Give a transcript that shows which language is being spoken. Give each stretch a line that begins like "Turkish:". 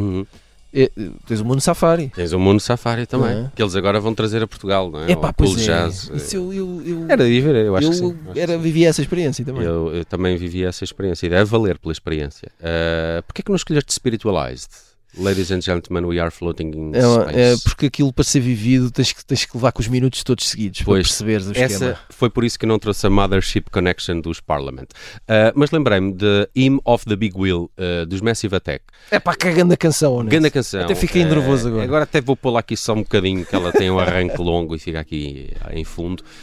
Portuguese: Uhum. Tens o Mundo Safari. Tens o Mundo Safari também. É. Que eles agora vão trazer a Portugal, não é? Epá, o Cool Jazz. É. Isso eu, era de ver, eu acho eu que sim. Vivi essa experiência também. Eu também vivi essa experiência e deve valer pela experiência. Porquê é que não escolheste Spiritualized?
English: Ladies and gentlemen, we are floating in space.
Portuguese: É porque aquilo, para ser vivido, tens que levar com os minutos todos seguidos, pois, para perceberes o esquema. Essa foi por isso que não trouxe a Mothership Connection dos Parliament. Mas lembrei-me de Hymn of the Big Wheel, dos Massive Attack. É pá, que é grande canção, honesto. Grande canção. Até fiquei nervoso agora. Agora até vou pô-la aqui só um bocadinho, que ela tem um arranque longo e fica aqui em fundo.